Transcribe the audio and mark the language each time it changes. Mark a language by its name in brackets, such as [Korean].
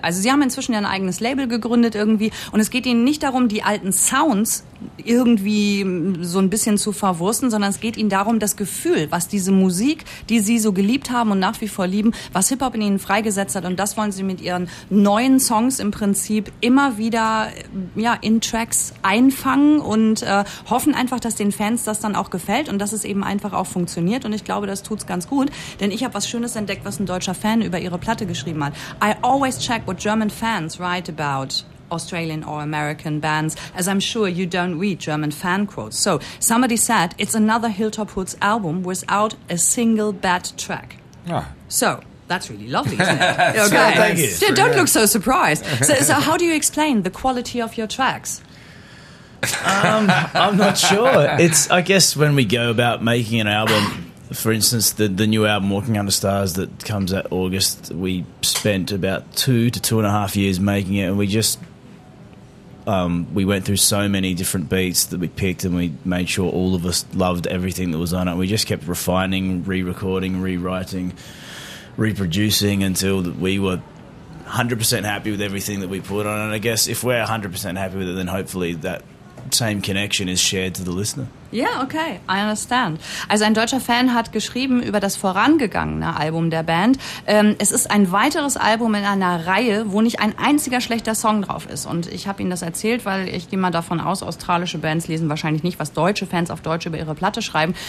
[German] Also Sie haben inzwischen ja ein eigenes Label gegründet irgendwie und es geht Ihnen nicht darum, die alten Sounds irgendwie so ein bisschen zu verwursten, sondern es geht Ihnen darum, das Gefühl, was diese Musik, die Sie so geliebt haben und nach wie vor lieben, was Hip-Hop in Ihnen freigesetzt hat, und das wollen Sie mit Ihren neuen Songs im Prinzip immer wieder in Tracks einfangen und hoffen einfach, dass den Fans das dann auch gefällt und dass es eben einfach auch funktioniert. Und ich glaube, das tut's ganz gut, denn ich habe was Schönes entdeckt, was ein deutscher Fan über Ihre Platte geschrieben hat. [English] I always check what German fans write about Australian or American bands, as I'm sure you don't read German fan quotes. So, somebody said, it's another Hilltop Hoods album without a single bad track. Ah. So, that's really lovely, isn't it? Okay. Sure, thank you. Yeah, don't look so surprised. So, how do you explain the quality of your tracks? I'm not sure. It's, I guess, when we go about making an album, for instance, the new album, Walking Under Stars, that comes out August, we spent about 2 to 2.5 years making it, and we just we went through so many different beats that we picked, and we made sure all of us loved everything that was on it. We just kept refining, re-recording, rewriting, reproducing until we were 100% happy with everything that we put on. And I guess if we're 100% happy with it, then hopefully that same connection is shared to the listener. Yeah, okay, I understand. [German] Also ein deutscher Fan hat geschrieben über das vorangegangene Album der Band. Es ist ein weiteres Album in einer Reihe, wo nicht ein einziger schlechter Song drauf ist. Und ich habe Ihnen das erzählt, weil ich gehe mal davon aus, australische Bands lesen wahrscheinlich nicht, was deutsche Fans auf Deutsch über ihre Platte schreiben.